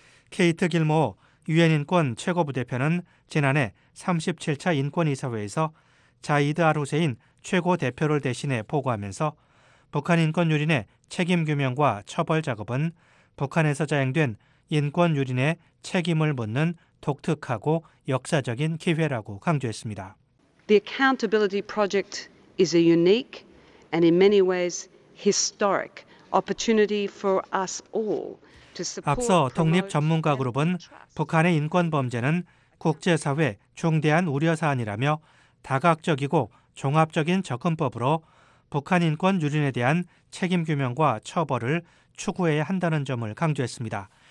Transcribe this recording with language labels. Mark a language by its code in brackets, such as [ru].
[ko] 케이트 길모 유엔인권 최고부 대표는 지난해 37차 인권이사회에서 자이드 아루세인 최고 대표를 대신해 보고하면서 북한인권유린의 책임 규명과 처벌 작업은 북한에서 자행된 인권 유린의 책임을 묻는 독특하고 역사적인 기회라고 강조했습니다. [en] The Accountability Project is a unique and in many ways historic opportunity for us all to support. [ko] 앞서 독립 전문가 그룹은 북한의 인권 범죄는 국제사회 중대한 우려 사안이라며 다각적이고 종합적인 접근법으로 북한 인권 유린에 대한 책임 규명과 처벌을 추구해야 한다는 점을 강조했습니다.